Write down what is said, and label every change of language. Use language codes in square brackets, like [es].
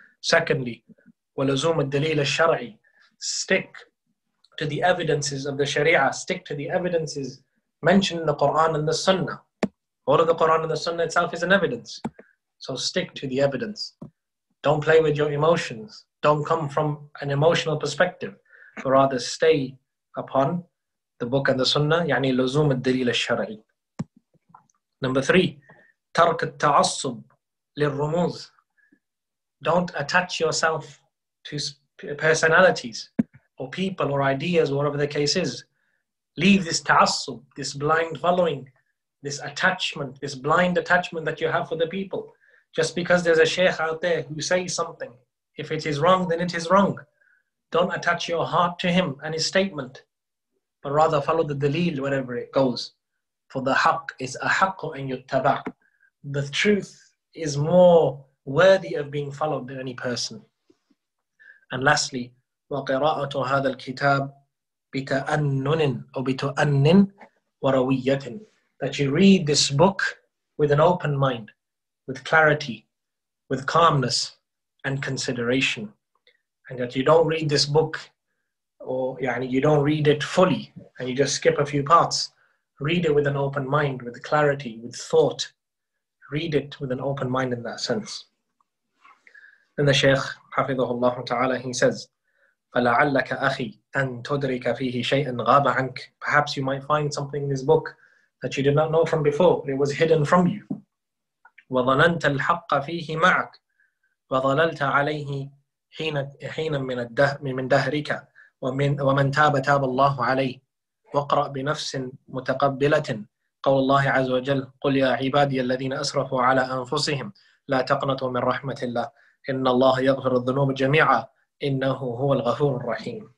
[en] Secondly, [ar] ولزوم الدليل الشرعي, [en] stick to the evidences of the Sharia, stick to the evidences mentioned in the Quran and the Sunnah. All of the Quran and the Sunnah itself is an evidence. So stick to the evidence. Don't play with your emotions. Don't come from an emotional perspective, but rather stay upon the book and the Sunnah, [ar] يعني لزوم الدليل الشرعي. [en] Number three, [ar] ترك التعصب للرموز. [en] Don't attach yourself to personalities or people or ideas, whatever the case is. Leave this ta'assub, this blind following, this attachment, this blind attachment that you have for the people. Just because there's a sheikh out there who says something, if it is wrong, then it is wrong. Don't attach your heart to him and his statement, but rather follow the dalil wherever it goes. For the haqq is [ar] ahaqqu an yuttaba. [en] The truth is more worthy of being followed than any person. And lastly, [ar] وَقِرَاءَةُ هَذَا الْكِتَابِ بِتَأَنُّنٍ أَوْ بِتُأَنِّنْ وَرَوِيَّةٍ, [en] that you read this book with an open mind, with clarity, with calmness and consideration. And that you don't read this book or you don't read it fully and you just skip a few parts. Read it with an open mind, with clarity, with thought. Read it with an open mind in that sense. And the Shaykh, حفظه الله تعالى, he says, [ar] فَلَعَلَّكَ أَخِي أَن تُدْرِكَ فِيهِ شَيْءٍ غَابَ عَنْكَ. [en] Perhaps you might find something in this book that you did not know from before, but it was hidden from you. [ar] وَظَنَنْتَ الْحَقَّ فِيهِ مَعَكَ وَظَلَلْتَ عَلَيْهِ حِينًا مِنْ دَهْرِكَ وَمَنْ تَابَ تَابَ اللَّهُ عَلَيْهِ وَقْرَأْ بِنَفْسٍ مُتَقَبِّلَةٍ قَوْلَ اللَّهِ عَزَّ وَجَلَّ قُلْ يَا عِبَادِيَ الَّذِينَ أَسْرَفُوا عَلَى أَنفُسِهِمْ لَا تَقْنَطُوا مِن رَّحْمَةِ اللَّهِ إن الله يغفر الذنوب جميعا إنه هو الغفور الرحيم.